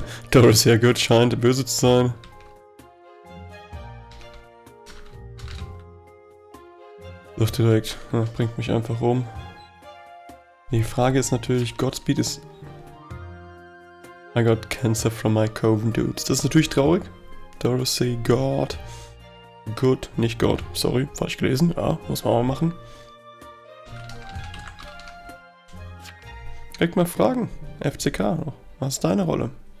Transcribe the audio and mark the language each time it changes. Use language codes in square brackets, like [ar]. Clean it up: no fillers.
[de] Doris, ja gut, scheint böse zu sein. Doch direkt, bringt mich einfach um. Die Frage ist natürlich, Godspeed ist. [en] I got cancer from my Coven dudes. [de] Das ist natürlich traurig. Dorothy, God. Good, nicht God. Sorry, falsch gelesen. Ja, muss man mal machen. Direkt mal Fragen. FCK noch. Was ist deine Rolle?